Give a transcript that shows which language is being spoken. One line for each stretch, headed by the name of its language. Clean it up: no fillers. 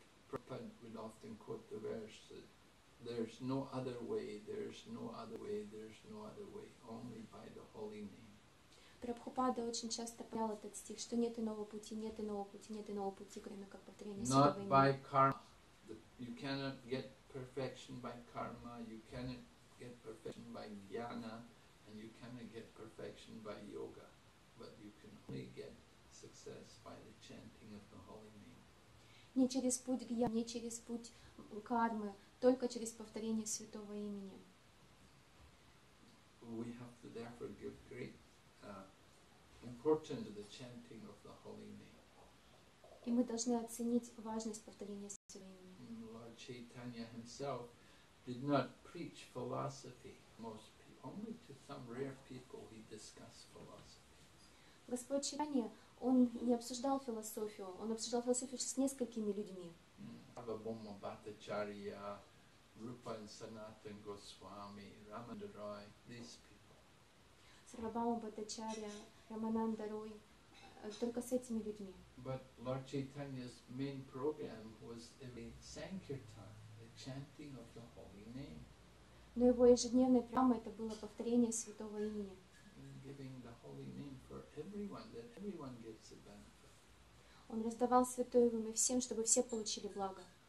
English: Prabhupada would often quote the verse that there's no other way, there's no other way, there's no other way, only by the holy name.
Russian: Прабхупада очень часто повторял этот стих, что нет иного пути, нет иного пути, нет иного пути, кроме как повторения святого имени.
English: Not by karma. You cannot get perfection by karma, you cannot get perfection by jnana, and you cannot get perfection by yoga. But you can only get success by the chanting of the holy name.
Russian: Не через путь гьяны, не через путь кармы, только через повторение святого имени.
English: We have to therefore give great important to the chanting of the holy name.
Russian: И мы должны оценить важность повторения святого имени.
English: Lord Chaitanya himself did not preach philosophy to most people. Only to some rare people he discussed philosophy.
Russian: Господь Чайтанья, он не обсуждал философию. Он обсуждал философию с несколькими людьми. Прабхупада, Бхаттачарья, Рупа и Санатан Госвами, Рамананда Рой,
English: these people.
Russian: Сарвабхаума Бхаттачарья, Рамананда Рой, только с этими людьми.
English: But Lord Chaitanya's main program was every Sankirtan, the chanting of the holy name.
Russian: Но его ежедневной программой это было повторение святого имени.
English: Giving the holy name for everyone, that everyone gets a benefit.
Russian: Он раздавал святое имя всем, чтобы все получили благо.